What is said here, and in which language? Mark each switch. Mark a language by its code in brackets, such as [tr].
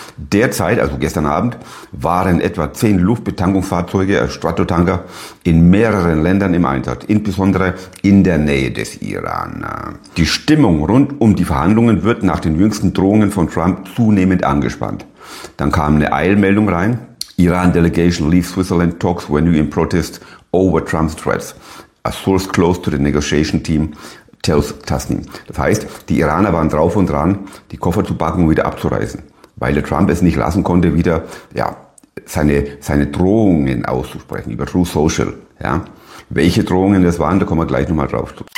[de] Derzeit, also gestern Abend, waren etwa 10 Luftbetankungsfahrzeuge, Stratotanker, in mehreren Ländern im Einsatz, insbesondere in der Nähe des Iran. Die Stimmung rund um die Verhandlungen wird nach den jüngsten Drohungen von Trump zunehmend angespannt. Dann kam eine Eilmeldung rein. [en] Iran Delegation leaves Switzerland talks were new in protest over Trump's threats. A source close to the negotiation team tells Tasnim. [de] Das heißt, die Iraner waren drauf und dran, die Koffer zu packen und wieder abzureisen, weil der Trump es nicht lassen konnte, wieder ja seine Drohungen auszusprechen über True Social. Ja, welche Drohungen das waren, da kommen wir gleich nochmal drauf.